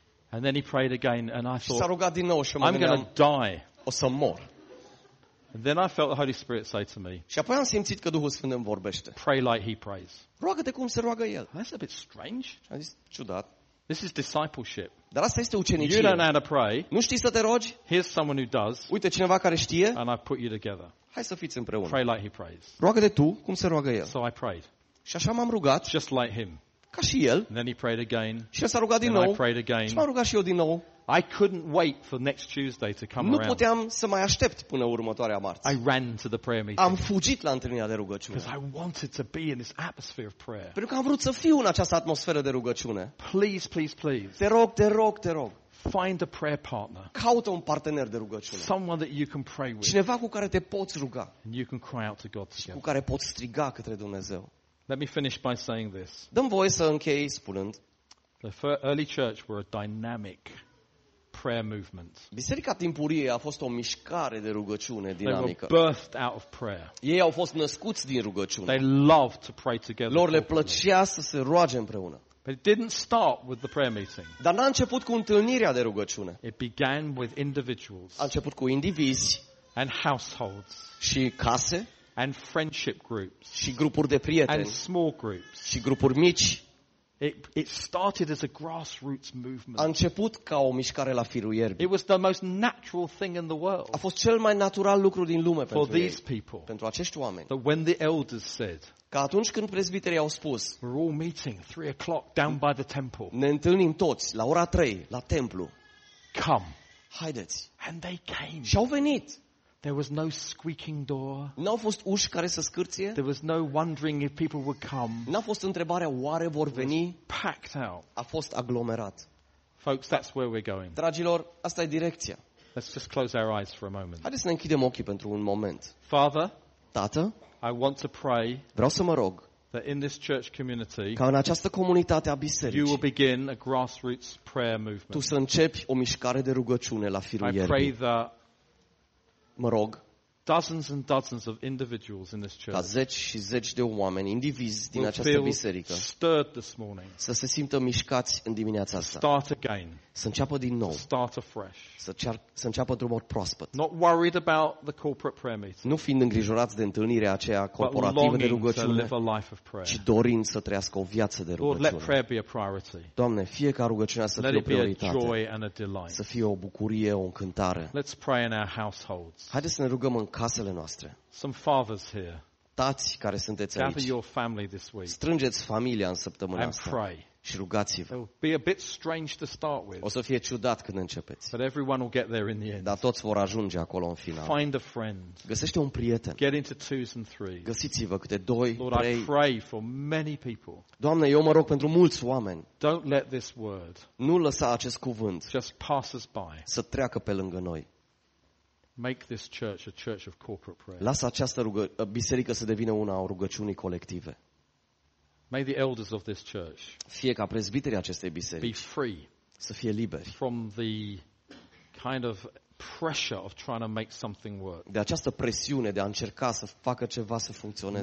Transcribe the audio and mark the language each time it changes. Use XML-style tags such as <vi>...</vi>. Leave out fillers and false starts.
<en>And then he prayed again and I thought,</en> <ro>s-a rugat din nou și mă gândeam,</ro> <en>I'm going to die.</en> <ro>O să mor.</ro> <en>And then I felt the Holy Spirit say to me.</en> <ro>Și apoi am simțit că Duhul Sfânt îmi vorbește.</ro> <en>Pray like he prays.</en> <ro>Roagă-te cum se roagă el.</ro> <en>That's a bit strange.</en> <ro>Și am zis, ciudat.</ro> <en>This is discipleship.</en> <ro>Dar asta este ucenicie.</ro> <en>You don't know how to pray.</en> <ro>Nu știi să te rogi?</ro> <en>Here's someone who does.</en> <ro>Uite cineva care știe.</ro> <en>And I put you together.</en> <ro>Hai să fiți împreună.</ro> <en>Pray like he prays.</en> <ro>Roagă-te tu cum se roagă el.</ro> <en>So I prayed.</en> <ro>Și așa m-am rugat.</ro> <en>Just like him.</en> <ro>Ca și el.</ro> <en>And then he prayed again.</en> <ro>Și s-a rugat din nou.</ro> <en>And I prayed again.</en> <ro>Și m-am rugat și eu din nou.</ro> <en>I couldn't wait for next Tuesday to come around.</en> <ro>Nu puteam să mai aștept până următoarea marți.</ro> <en>I ran to the prayer meeting.</en> <ro>Am fugit la întâlnirea de rugăciune.</ro> <en>Because I wanted to be in this atmosphere of prayer.</en> <ro>Pentru că am vrut să fiu în această atmosferă de rugăciune.</ro> <en>Please, please, please.</en> <ro>Te rog, te rog, te rog.</ro> <en>Find a prayer partner.</en> <ro>Caută un partener de rugăciune.</ro> <en>Someone that you can pray with.</en> <ro>Cineva cu care te poți ruga.</ro> <en>And you can cry out to God together.</en> <ro>Cu care poți striga către Dumnezeu.</ro> <en>Let me finish by saying this.</en> <ro>Dă-mi voie să închei spunând.</ro> <en>The early church were a dynamic prayer movement.</en> <ro>Biserica Timpurie a fost o mișcare de rugăciune dinamică.</ro> <en>They were birthed out of prayer.</en> <ro>Ei au fost născuți din rugăciune.</ro> <en>They loved to pray together.</en> <ro>Lor le plăcea să se roage împreună.</ro> <en>But it didn't start with the prayer meeting.</en> <ro>Dar n-a început cu întâlnirea de rugăciune.</ro> <en>It began with individuals.</en> <ro>A început cu indivizi</ro> <en>and households.</en> <ro>Și case</ro> <en>and friendship groups.</en> <ro>Și grupuri de prieteni.</ro> <en>And small groups.</en> <ro>Și grupuri mici.</ro> <en>It started as a grassroots movement.</en> <ro>A început ca o mișcare la firul ierbii.</ro> <en>It was the most natural thing in the world.</en> <ro>A fost cel mai natural lucru din lume pentru ei.</ro> <en>For these people.</en> <ro>Pentru acești oameni.</ro> <en>That when the elders said.</en> <ro>Că atunci când prezbiterii au spus.</ro> <en>We're all meeting 3:00 down by the temple.</en> <ro>Ne întâlnim toți la ora 3 la templu.</ro> <en>Come.</en> <ro>Haideți.</ro> <en>And they came.</en> <ro>Și au venit.</ro> <en>There was no squeaking door.</en> <ro>N-a fost ușă care să scârție.</ro> <en>There was no wondering if people would come.</en> <ro>N-a fost întrebarea oare vor veni.</ro> <en>Packed out.</en> <ro>A fost aglomerat.</ro> <en>Folks, that's where we're going.</en> <ro>Dragilor, asta e direcția.</ro> <en>Let's just close our eyes for a moment.</en> <ro>Haideți să ne închidem ochii pentru un moment.</ro> <en>Father,</en> <ro>Tată,</ro> <en>I want to pray.</en> <ro>Vreau să mă rog.</ro> <en>That in this church community.</en> <ro>Ca în această comunitate a bisericii.</ro> <en>You will begin a grassroots prayer movement.</en> <ro>Tu să începi o mișcare de rugăciune la firul ierbii.</ro> <en>I pray that.</en> <ro>Mă rog,</ro> <en>dozens and dozens of individuals in this church.</en> <ro>Ca zeci și zeci de oameni, indivizi din această biserică.</ro> <en>Stirred this morning.</en> <ro>Să se simtă mișcați în dimineața asta.</ro> <en>Start again.</en> <ro>Să înceapă din nou.</ro> <en>Start afresh.</en> <ro>Să înceapă drumul proaspăt.</ro> <en>Not worried about the corporate prayer meeting.</en> <ro>Nu fiind îngrijorați de întâlnirea aceea corporativă de rugăciune.</ro> <en>But longing to live a life of prayer.</en> <ro>Ci dorind să trăiască o viață de rugăciune.</ro> <en>Lord, let prayer be a priority.</en> <ro>Doamne, fie ca rugăciunea să fie o prioritate.</ro> <en>Let it be a joy and a delight.</en> <ro>Să fie o bucurie, o încântare.</ro> <en>Let's pray in our households.</en> <ro>Haideți să ne rugăm în casele noastre.</ro> <en>Some fathers here.</en> <ro>Tați care sunteți aici.</ro> <en>Gather your family this week.</en> <ro>Strângeți familia în săptămâna asta.</ro> <en>And pray.</en> <ro>Și rugați-vă.</ro> <en>It'll be a bit strange to start with.</en> <ro>O să fie ciudat când începeți.</ro> <en>But everyone will get there in the end.</en> <ro>Dar toți vor ajunge acolo în final.</ro> <en>Find a friend.</en> <ro>Găsește un prieten.</ro> <en>Get into twos and threes.</en> <ro>Găsiți-vă câte doi,</ro> <en>Lord,</en> <ro>trei.</ro> <en>I pray for many people.</en> <ro>Doamne, eu mă rog pentru mulți oameni.</ro> <en>Don't let this word.</en> <ro>Nu lăsa acest cuvânt.</ro> <en>Just pass us by.</en> <ro>Să treacă pe lângă noi.</ro> <en>Make this church a church of corporate prayer.</en> <ro>Lasă această biserică să devină una a rugăciunii colective.</ro> <en>May the elders of this church.</en> <ro>Fie ca prezbiterii acestei biserici.</ro> <en>Be free.</en> <ro>Să fie liberi.</ro> <en>From the kind of pressure of trying to make something work.</en> <ro>De această presiune de a încerca să facă ceva să funcționeze.</ro>